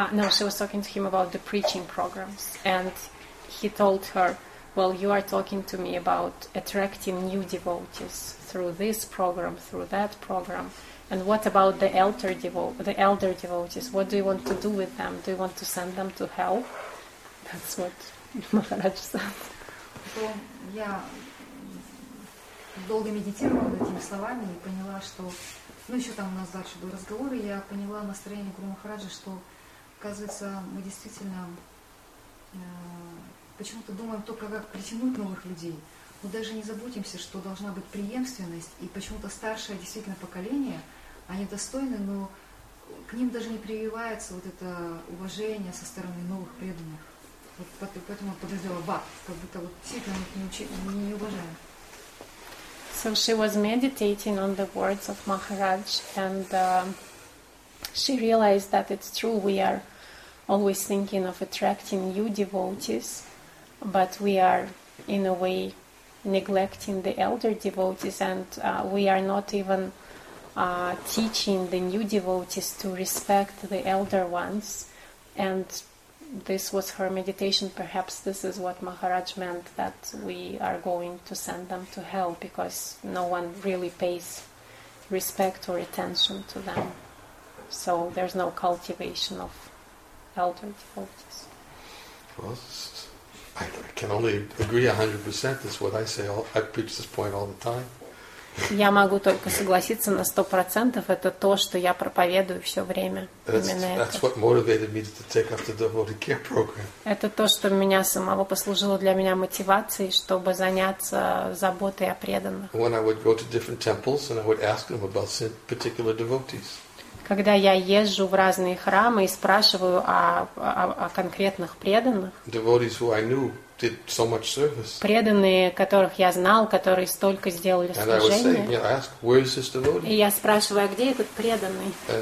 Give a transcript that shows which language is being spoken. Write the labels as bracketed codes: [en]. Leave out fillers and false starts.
[en] She was talking to him about the preaching programs, and he told her, well, you are talking to me about attracting new devotees through this program, through that program. And what about the elder devotees? What do you want to do with them? Do you want to send them to hell? That's what Maharaj said. [ru] So, я долго медитировала над этими словами и поняла, что, ну еще там у нас дальше был разговор, и я поняла настроение Гуру Махараджа, что, оказывается, мы действительно почему-то думаем только, как притянуть новых людей, но даже не заботимся, что должна быть преемственность, и почему-то старшее действительно поколение, они достойны, но к ним даже не прививается вот это уважение со стороны новых преданных. Вот поэтому он подозревал, как будто вот действительно их не уважают. [en] So she was meditating on the words of Maharaj, and she realized that it's true, we are always thinking of attracting new devotees, but we are, in a way, neglecting the elder devotees, and we are not even teaching the new devotees to respect the elder ones. And this was her meditation. Perhaps this is what Maharaj meant, that we are going to send them to hell because no one really pays respect or attention to them. So there's no cultivation of elder devotees. Well, I can only agree 100%. That's what I say. I preach this point all the time. [ru] Я могу только согласиться на 100%. Это то, что я проповедую все время. [en] That's what motivated me to take up the devotee care program. [ru] Это то, что меня самого послужило для меня мотивацией, чтобы заняться заботой о преданных. [en] When I would go to different temples and I would ask them about particular devotees. [ru] Когда я езжу в разные храмы и спрашиваю о конкретных преданных, [en] devotees, who I knew, did so much service. [ru] Преданные, которых я знал, которые столько сделали служения, и я спрашиваю, а где этот преданный?